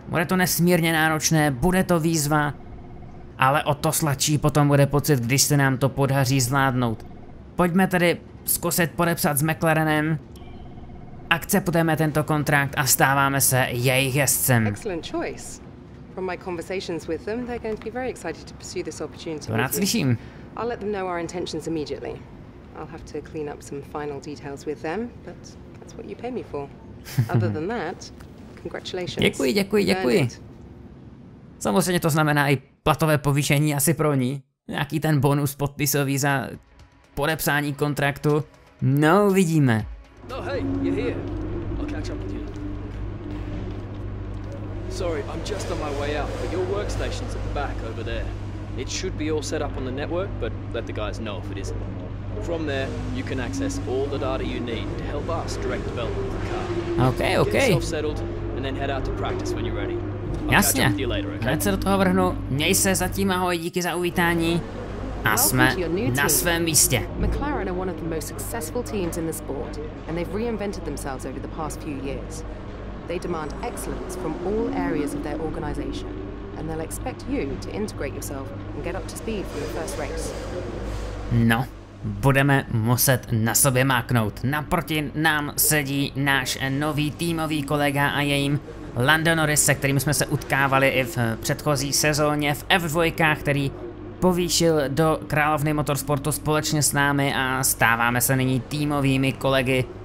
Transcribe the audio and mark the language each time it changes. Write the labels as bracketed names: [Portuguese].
[Czech] Bude to nesmírně náročné, bude to výzva, ale o to sladší potom bude pocit, když se nám to podaří zvládnout. Pojďme tedy zkusit podepsat s McLarenem, akceptujeme tento kontrakt a stáváme se jejich jezdcem. [English] Excellent choice. From my conversations with them, they're going to be very excited to pursue this opportunity. [Czech] To rád slyším. [English] I'll let them know our intentions immediately. I'll have to clean up some final details with them, but that's what you pay me for. Other than that, congratulations. [Czech] Děkuji. Samozřejmě to znamená i platové povýšení asi pro ní. Nějaký ten bonus podpisový za podepsání kontraktu. No, uvidíme. [English] No, hey, you're here. I'll catch up with you. Sorry, I'm just on my way out, but your workstation's at the back over there. It should be all set up on the network, but let the guys know if it isn't. From there, you can access all the data you need to help us direct development of the car. Okay. Get yourself settled, and then head out to practice when you're ready. [Czech] Jasně, hned se do toho vrhnu. Měj se zatím, ahoj, díky za uvítání. A jsme na svém místě. [English] McLaren are one of the most successful teams in the sport, and they've reinvented themselves over the past few years. They demand excellence from all areas of their organization, and they'll expect you to integrate yourself and get up to speed for the first race. [Czech] No, budeme muset na sobě máknout. Naproti nám sedí náš nový týmový kolega a jejím Lando Norris, se kterým jsme se utkávali i v předchozí sezóně v F2, který povýšil do královny motorsportu společně s námi a stáváme se nyní týmovými kolegy.